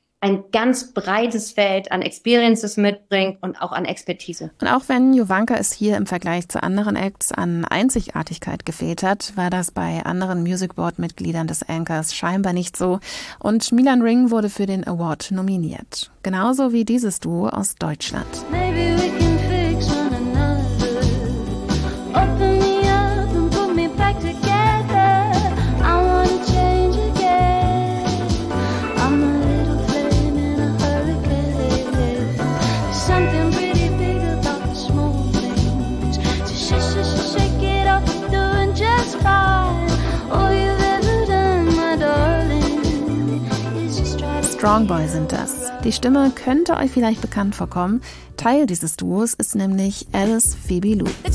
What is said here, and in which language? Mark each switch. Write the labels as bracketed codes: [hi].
[de] ein ganz breites Feld an Experiences mitbringt und auch an Expertise. Und auch wenn Juvanka es hier im Vergleich zu anderen Acts an Einzigartigkeit gefehlt hat, war das bei anderen Music Board-Mitgliedern des Anchors scheinbar nicht so. Und Milan Ring wurde für den Award nominiert. Genauso wie dieses Duo aus Deutschland. [en] Maybe we can fix one another. Open me up and put me back together. I wanna change again. I'm a little flame in a hurricane. There's something pretty big about the small things. So shake it off, you're doing just fine. All you've ever done, my darling, is just try to... [de] Strong Boy sind das. Die Stimme könnte euch vielleicht bekannt vorkommen. Teil dieses Duos ist nämlich Alice Phoebe Lou.